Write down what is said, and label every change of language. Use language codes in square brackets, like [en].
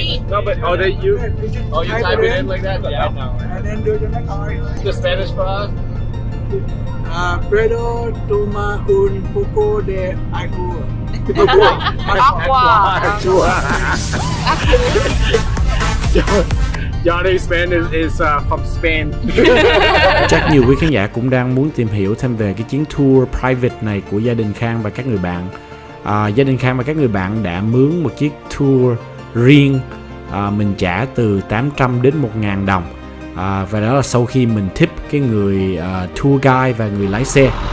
[en] No, but oh, they you oh you type it in like that? Yeah, I know. And then do the next part. The Spanish for us. [es] Pero toma un poco de agua. Agua. Agua. [en] Johnny Spanish is from Spain. [vi] Chắc nhiều quý khán giả cũng đang muốn tìm hiểu thêm về cái chuyến tour private này của gia đình Khang và các người bạn. Gia đình Khang và các người bạn đã mướn một chiếc tour riêng, mình trả từ 800 đến 1.000 đồng. Và đó là sau khi mình tip cái người tour guide và người lái xe.